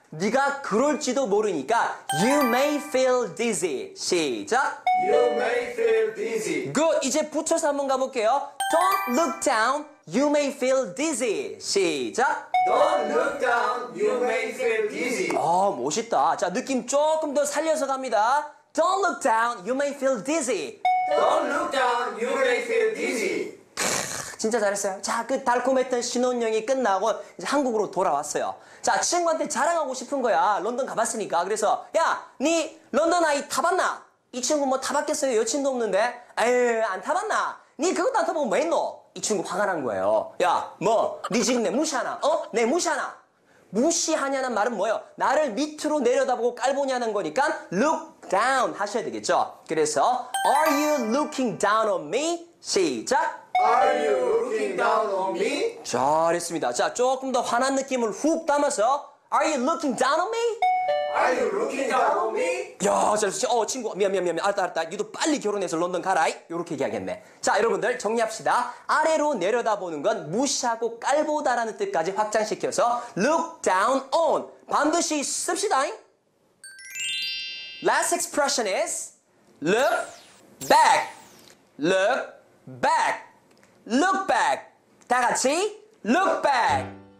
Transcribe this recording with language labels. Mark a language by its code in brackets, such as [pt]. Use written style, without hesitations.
[ko] 네가 그럴지도 모르니까 [en] You may feel dizzy. [ko] 시작. [en] You may feel dizzy. Good. [ko] 이제 붙여서 한번 가볼게요. [en] Don't look down. You may feel dizzy. [ko] 시작. [en] Don't look down. You may feel dizzy. [ko] 아, 멋있다. 자, 느낌 조금 더 살려서 갑니다. [en] Don't look down. You may feel dizzy. Don't look down. You may feel dizzy. [ko] 진짜 잘했어요. 자, 그 달콤했던 신혼여행이 끝나고 이제 한국으로 돌아왔어요. 자, 친구한테 자랑하고 싶은 거야. 런던 가봤으니까. 그래서 야, 니 런던 아이 타봤나? 이 친구 뭐 타봤겠어요? 여친도 없는데. 에이, 안 타봤나? 니 그것도 안 타보면 왜 했노? 이 친구 화가 난 거예요. 야, 뭐? 니 지금 내 무시하나? 어? 내 무시하나? 무시하냐는 말은 뭐예요? 나를 밑으로 내려다보고 깔보냐는 거니까 look down 하셔야 되겠죠. 그래서 [en] Are you looking down on me? [ko] 시작! [en] Are you looking down on me? [ko] 잘했습니다. 자, 조금 더 화난 느낌을 훅 담아서 [en] Are you looking down on me? Are you looking down on me? [ko] 야, 잘했어. 친구, 미안. 알았다. 유도 빨리 결혼해서 런던 가라. 이렇게 얘기하겠네. 자, 여러분들 정리합시다. 아래로 내려다보는 건 무시하고 깔보다라는 뜻까지 확장시켜서 look down on. 반드시 씁시다. [en] Last expression is look back. Look back. Look back. [ko] 다 같이 look back.